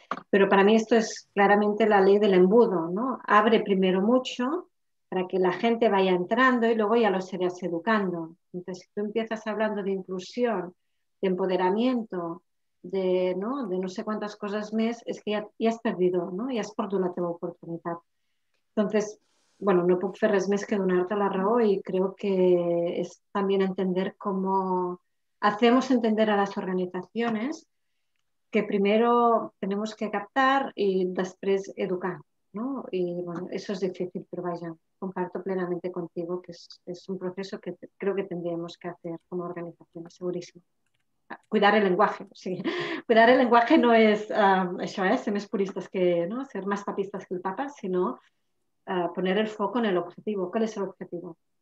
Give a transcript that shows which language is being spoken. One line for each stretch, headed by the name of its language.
Spanish: Pero para mí esto es claramente la ley del embudo, ¿no? Abre primero mucho para que la gente vaya entrando y luego ya lo serás educando. Entonces, si tú empiezas hablando de inclusión, de empoderamiento, de, ¿no?, de no sé cuántas cosas más, es que ya has perdido, ¿no? Ya has perdido
Catalan: la teva
Spanish: oportunidad. Entonces, bueno,
Catalan: no puc fer res més que donar-te la raó i crec que és també entendre com fem entendre a les organitzacions que primer hem de captar i després educar, ¿no?
Spanish: Y bueno, eso es difícil, pero vaya, comparto plenamente contigo que es un proceso que creo que tendríamos que hacer como organización, segurísimo. Cuidar el lenguaje, sí. Cuidar el lenguaje no es eso, es ser más puristas que, ¿no?, ser más papistas que el Papa, sino poner el foco en el objetivo. ¿Cuál es el objetivo?